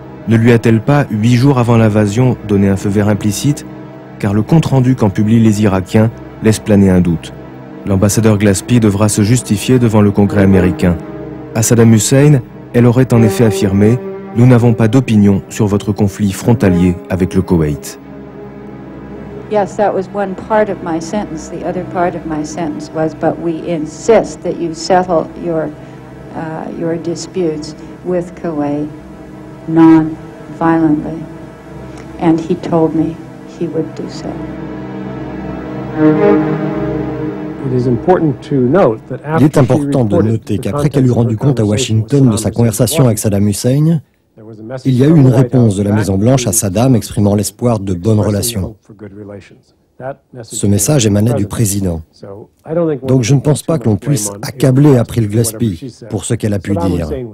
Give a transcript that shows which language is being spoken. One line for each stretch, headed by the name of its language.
French: Ne lui a-t-elle pas, 8 jours avant l'invasion, donné un feu vert implicite? Car le compte-rendu qu'en publient les Irakiens laisse planer un doute. L'ambassadeur Gillespie devra se justifier devant le Congrès américain. À Saddam Hussein, elle aurait en effet affirmé « Nous n'avons pas d'opinion sur votre conflit frontalier avec le Koweït ».
English: Yes, that was one part of my sentence. The other part of my sentence was, but we insist that you settle your disputes with Kuwait non-violently. And he told me he would do so.
French: Il est important de noter qu'après qu'elle eut rendu compte à Washington de sa conversation avec Saddam Hussein, il y a eu une réponse de la Maison-Blanche à Saddam exprimant l'espoir de bonnes relations. Ce message émanait du président. Donc je ne pense pas que l'on puisse accabler April Gillespie pour ce qu'elle a pu dire.